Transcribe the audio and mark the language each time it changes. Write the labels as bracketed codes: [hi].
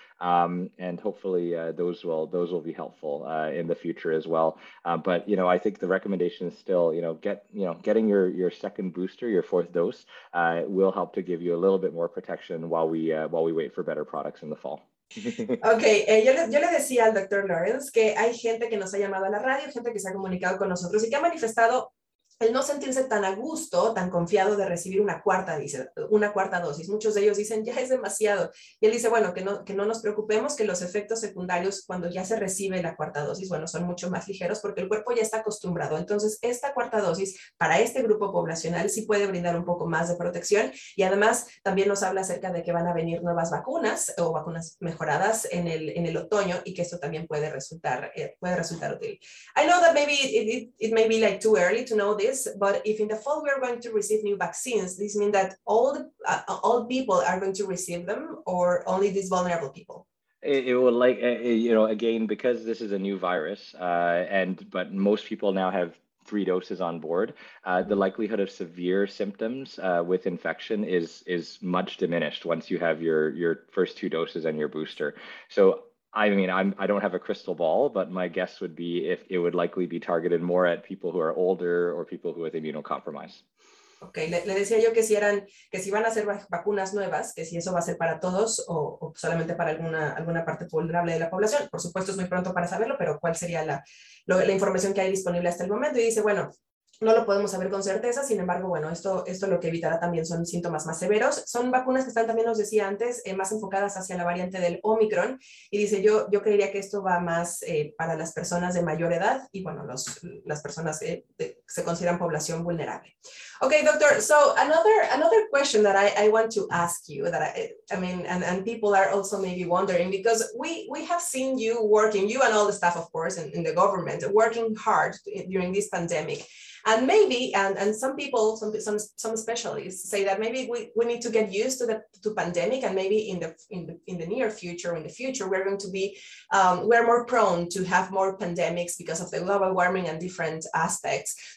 [en] And hopefully those will be helpful in the future as well. But, you know, I think the recommendation is still, you know, getting your second booster, your fourth dose, will help to give you a little bit more protection while we wait for better products in the fall. [es] Okay, yo le decía al Dr. Lawrence que hay gente que nos ha llamado a la radio, gente que se ha comunicado con nosotros y que ha manifestado el no sentirse tan a gusto, tan confiado de recibir una cuarta dosis. Muchos de ellos dicen, ya es demasiado. Y él dice, bueno, que no nos preocupemos, que los efectos secundarios cuando ya se recibe la cuarta dosis, bueno, son mucho más ligeros porque el cuerpo ya está acostumbrado. Entonces, esta cuarta dosis para este grupo poblacional sí puede brindar un poco más de protección. Y además, también nos habla acerca de que van a venir nuevas vacunas o vacunas mejoradas en el otoño y que esto también puede resultar útil. [en] I know that maybe it may be like too early to know this, but if in the fall we are going to receive new vaccines, this means that all people are going to receive them, or only these vulnerable people? It will, like, you know, again, because this is a new virus, but most people now have three doses on board, the likelihood of severe symptoms with infection is much diminished once you have your first two doses and your booster. So I mean, I don't have a crystal ball, but my guess would be if it would likely be targeted more at people who are older or people who have immunocompromised. [es] Okay, le decía yo que si van a hacer vacunas nuevas, que si eso va a ser para todos o solamente para alguna parte vulnerable de la población. Por supuesto, es muy pronto para saberlo, pero ¿cuál sería la información que hay disponible hasta el momento? Y dice, bueno, no lo podemos saber con certeza, sin embargo, bueno, esto lo que evitará también son síntomas más severos. Son vacunas que están, también nos decía antes, más enfocadas hacia la variante del Omicron. Y dice, yo creería que esto va más para las personas de mayor edad y, bueno, las personas se consideran población vulnerable. [en] Okay, doctor, so another question that I want to ask you, that I mean, and people are also maybe wondering, because we have seen you working, you and all the staff, of course, in the government, working hard during this pandemic. And maybe, and some people, some specialists say that maybe we need to get used to the pandemic, and maybe in the near future, in the future, we're going to be, we're more prone to have more pandemics because of the global warming and different aspects.